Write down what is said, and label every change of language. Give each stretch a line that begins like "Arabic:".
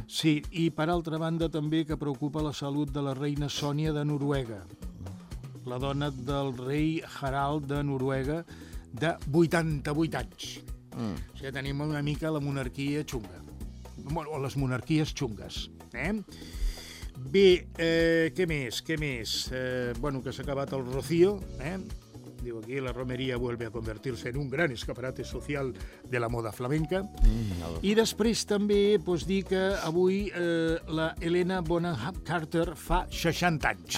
Catalan: Sí, i per altra banda també que preocupa la salut de la reina Sònia de Noruega, la dona del rei Harald de Noruega, de 88 anys. Mm. O sigui, tenim una mica la monarquia xunga. Bueno, o les monarquies xungues, eh? Bé, què més? Què més? Bueno, que s'ha acabat el rocío, eh? Diu aquí,
Spanish: la romeria vuelve a convertirse en un gran escaparate social de la moda flamenca.
Catalan: I després també, doncs, dir que avui la Helena Bonham Carter fa 60 anys.